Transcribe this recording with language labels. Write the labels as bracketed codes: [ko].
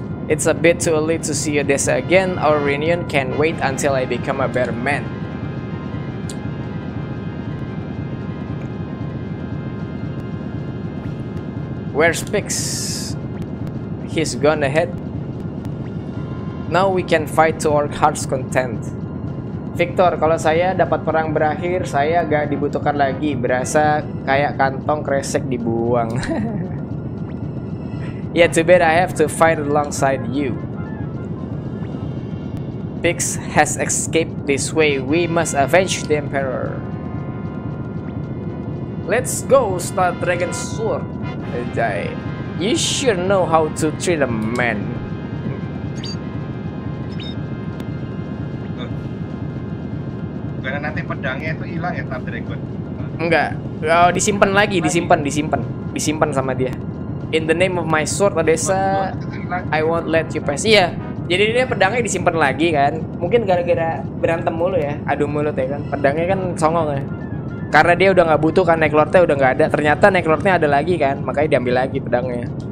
[en] It's a bit too early to see Odessa again. Our reunion can wait until I become a better man. Where's Pix? He's gone ahead. Now we can fight to our heart's content. [id] Victor, kalau saya dapat perang berakhir, saya gak dibutuhkan lagi. Berasa kayak kantong kresek dibuang. [en] Yeah, too bad I have to fight alongside you. Pix has escaped this way. We must avenge the Emperor. Let's go, Star Dragon Sword. Die. You sure know how to treat a man. [id] Karena nanti pedangnya itu hilang ya, Star Dragon. Enggak. Oh, disimpan lagi, disimpan. Disimpan sama dia. [en] In the name of my sword, Odessa, I won't let you pass. [id] Iya, jadi ini pedangnya disimpan lagi kan. Mungkin gara-gara berantem mulu ya, adu mulut ya kan. Pedangnya kan songong ya. Karena dia udah gak butuh kan, Necklordnya udah gak ada. Ternyata Necklordnya ada lagi kan, makanya diambil lagi pedangnya.